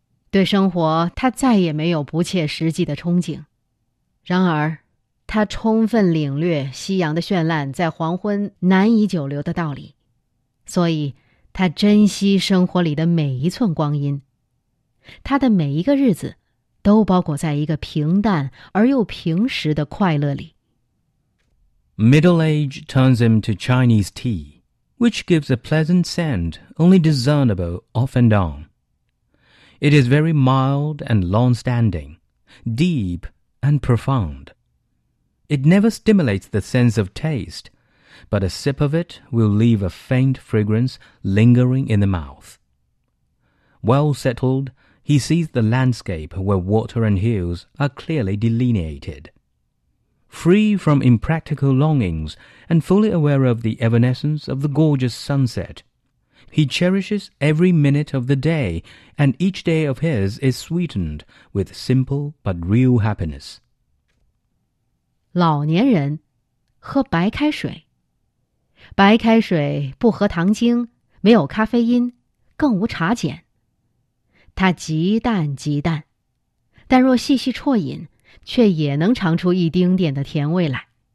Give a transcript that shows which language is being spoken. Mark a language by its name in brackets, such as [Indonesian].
[Chinese] 对生活，他再也没有不切实际的憧憬，然而他充分领略夕阳的绚烂在黄昏难以久留的道理，所以他珍惜生活里的每一寸光阴，他的每一个日子都包裹在一个平淡而又平实的快乐里。 [English] Middle age turns him to Chinese tea, which gives a pleasant scent only discernible off and on. It is very mild and long-standing, deep and profound. It never stimulates the sense of taste, but a sip of it will leave a faint fragrance lingering in the mouth. Well settled, he sees the landscape where water and hills are clearly delineated. Free from impractical longings and fully aware of the evanescence of the gorgeous sunset, he cherishes every minute of the day, and each day of his is sweetened with simple but real happiness. [Chinese] 老年人喝白开水，白开水不喝糖精，没有咖啡因，更无茶碱。它极淡极淡，但若细细啜饮，却也能尝出一丁点的甜味来。